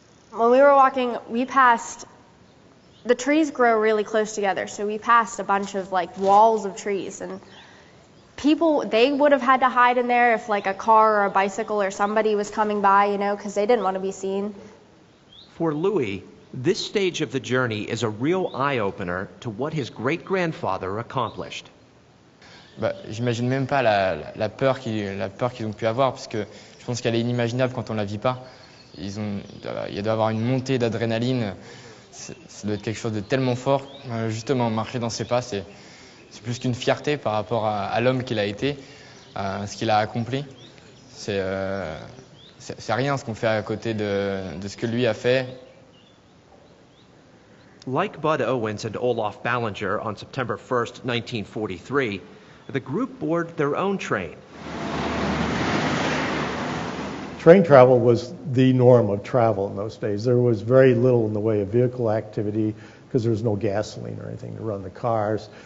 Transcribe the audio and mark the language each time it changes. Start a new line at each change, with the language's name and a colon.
English: When we were walking, the trees grow really close together, so we passed a bunch of like walls of trees, and people, they would have had to hide in there if like a car or a bicycle or somebody was coming by, you know, because they didn't want to be seen. For Louis, this stage of the journey is a real eye-opener to what his great-grandfather accomplished.
French: Bah, j'imagine même pas la peur qu'ils ont pu avoir, parce que je pense qu'elle est inimaginable quand on la vit pas. Il doit y avoir une montée d'adrénaline, ça doit être quelque chose de tellement fort. Justement, marcher dans ses pas, c'est plus qu'une fierté par rapport à l'homme qu'il a été, à ce qu'il a accompli. C'est rien ce qu'on fait à côté de ce que lui a fait.
English: Like Bud Owens and Olaf Ballinger on September 1st, 1943, the group board their own train. Train travel was the norm of travel in those days. There was very little in the way of vehicle activity because there was no gasoline or anything to run the cars.